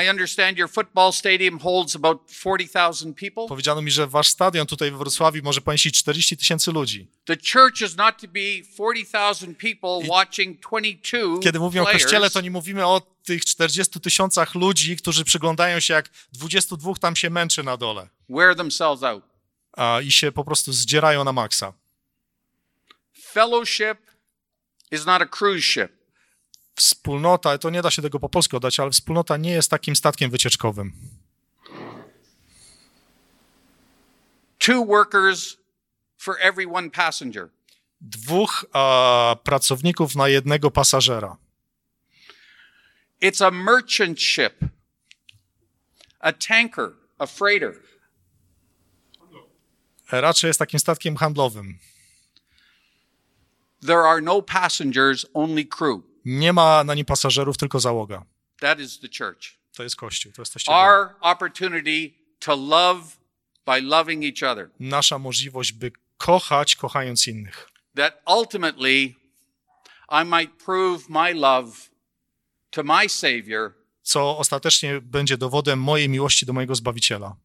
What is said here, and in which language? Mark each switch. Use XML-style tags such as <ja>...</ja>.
<en>I understand your football stadium holds about 40,000 people.</en> <pl>Powiedziano mi, że wasz stadion tutaj w Wrocławiu może pomieścić 40 tysięcy ludzi.</pl> <en>The church is not to be 40,000 people watching 22 players.</en> <pl>Kiedy mówimy o kościele, to nie mówimy o tych 40 tysiącach ludzi, którzy przyglądają się, jak 22 tam się męczy na dole.</pl> <en>Wear themselves out.</en> <pl>I się po prostu zdzierają na maksa.</pl> <en>Fellowship is not a cruise ship.</en> <pl>Wspólnota, to nie da się tego po polsku oddać, ale wspólnota nie jest takim statkiem wycieczkowym.</pl> <en>Two workers for every one passenger.</en> <pl>Dwóch pracowników na jednego pasażera.</pl> <en>It's a merchant ship. A tanker, a freighter.</en> <pl>Raczej jest takim statkiem handlowym.</pl> <en>There are no passengers, only crew.</en> <pl>Nie ma na nim pasażerów, tylko załoga.</pl> <en>That is the church.</en> <pl>To jest Kościół, to jesteście.</pl> <en>Our opportunity to love by loving each other.</en> <pl>Nasza możliwość, by kochać, kochając innych.</pl> <en>That ultimately I might prove my love to my Savior.</en> <pl>Co ostatecznie będzie dowodem mojej miłości do mojego Zbawiciela,</pl>